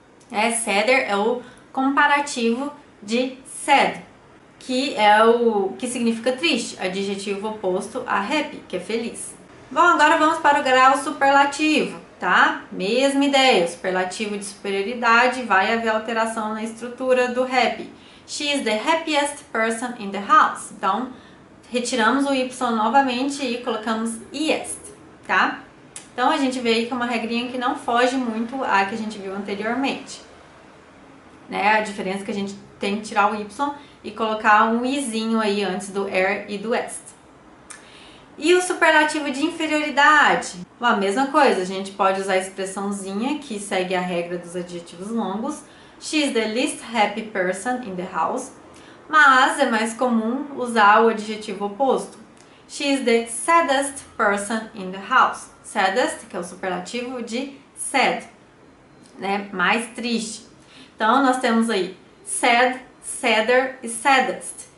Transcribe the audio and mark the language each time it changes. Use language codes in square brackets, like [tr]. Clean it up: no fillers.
[pt] É, sadder é o comparativo de sad, que é o que significa triste, adjetivo oposto a happy, que é feliz. Bom, agora vamos para o grau superlativo, tá? Mesma ideia, superlativo de superioridade, vai haver alteração na estrutura do happy. [en] She is the happiest person in the house. [pt] Então, retiramos o Y novamente e colocamos iest, tá? Então, a gente vê aí que é uma regrinha que não foge muito à que a gente viu anteriormente, né? A diferença que a gente tem que tirar o Y e colocar um izinho aí antes do air e do est. E o superlativo de inferioridade? A mesma coisa, a gente pode usar a expressãozinha que segue a regra dos adjetivos longos. [en] She's the least happy person in the house. [pt] Mas é mais comum usar o adjetivo oposto. [en] She's the saddest person in the house. [pt] Saddest, que é o superlativo de sad, né? Mais triste. Então, nós temos aí sad, sadder e saddest.